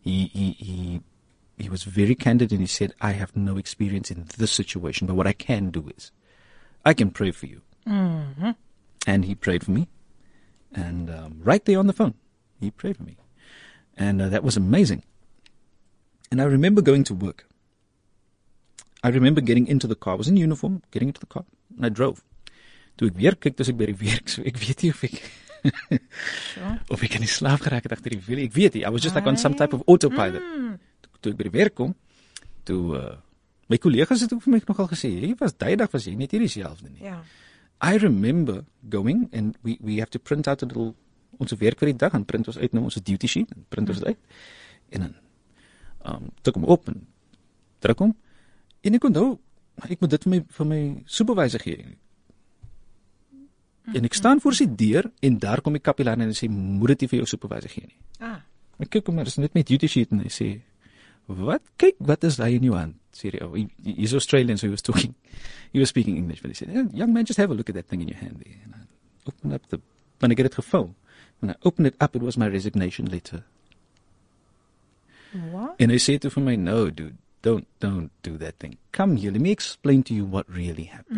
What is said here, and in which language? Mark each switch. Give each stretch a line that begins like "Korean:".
English: He was very candid and he said, "I have no experience in this situation, but what I can do is I can pray for you." Mm-hmm. And he prayed for me. And right there on the phone, he prayed for me. And that was amazing. And I remember going to work. I remember getting into the car. I was in uniform, getting into the car. And I drove.
Afrikaans: Toe ek weer kyk, dis ek by die werk. So ek weet nie of ek...
English: Sure.
Afrikaans: Of ek in die slaap geraak het agter die wiel. Ek weet nie.
English: I was just like on some type of autopilot.
Afrikaans: Toe ek by die werk kom, toe... my collega's het ook vir my nogal gesê, "Hier was duidelik, was jy net hier dieselfde nie."
English: Yeah. I remember going, and we have to print out a little...
Afrikaans: Ons werk vir die dag, en print ons uit nou ons duty sheet, en print ons uit. En dan... tik hom op, en druk hom. En ek onthou, ek moet dit vir my supervisor gee. En ek staan voor sy deur, en daar kom die kapelaan en sê, "Moet dit nie vir jou supervisor gee nie." Ah. Ek kyk hom, maar dis net met duty sheet, en hy sê, "Wat, kyk, wat is daar in jou hand?" Sê die ou,
English: he's Australian, so he was speaking English, but he said, "Young man, just have a look at that thing in your hand." And I open up the, when I get it
Afrikaans: gevul,
English: when I open it up, it was my resignation letter. What? And
Afrikaans: hy sê toe vir my,
English: "No, dude, don't do that thing. Come here, let me explain to you what really happened."